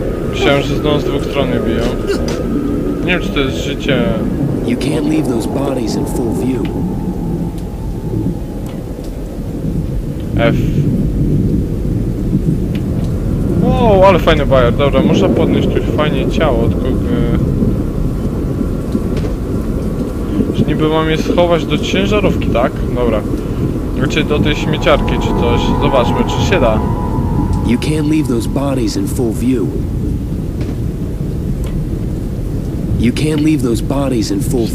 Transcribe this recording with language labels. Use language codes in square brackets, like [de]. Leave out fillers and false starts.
[pl] Myślałem, że znowu z dwóch stron mnie biją. Nie wiem, czy to jest życie. [en] You can't leave those bodies in full view. F. [pl] O, ale fajny bajer. Dobra, można podnieść tu fajnie ciało od kogo. Czy niby mam je schować do ciężarówki, tak? Dobra. Czy do tej śmieciarki czy coś. Zobaczmy, czy się da. [en] You can't leave those bodies in full view. You can't leave those bodies in full view.